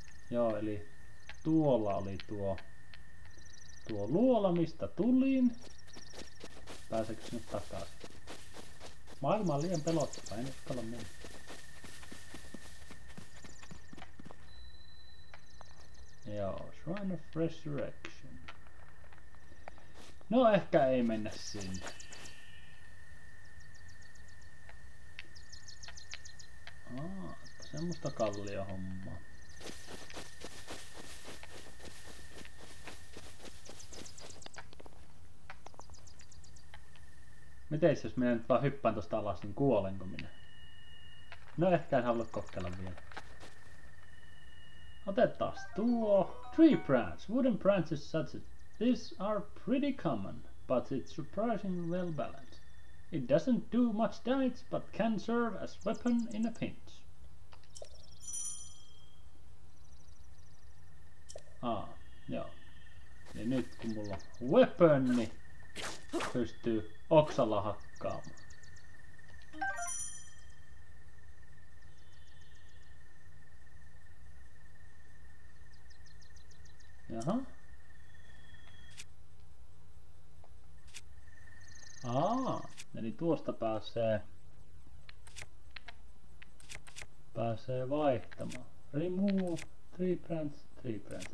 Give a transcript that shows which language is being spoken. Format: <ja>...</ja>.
<fi>Joo, eli tuolla oli tuo luola, mistä tulin. Pääseekö sinne takaisin? Maailma on liian pelottava, en uskalla mennä. Joo, Shrine of Resurrection. No, ehkä ei mennä sinne. Semmoista kallio hommaa. Miten jos minä nyt vaan hyppään tuosta alas, niin kuolenko minä? No ehkä en halua kokeilla vielä. Otetaan tuo.</fi> <en>Tree branch. Wooden branches such as this are pretty common, but it's surprisingly well balanced. It doesn't do much damage, but can serve as weapon in a pinch.</en> <fi>Ah, joo. Ja nyt kun mulla on weapon, niin pystyy oksalla hakkaamaan. Jaha. Aa, eli tuosta pääsee vaihtamaan.</fi> <en>Remove tree branch, tree branch.</en>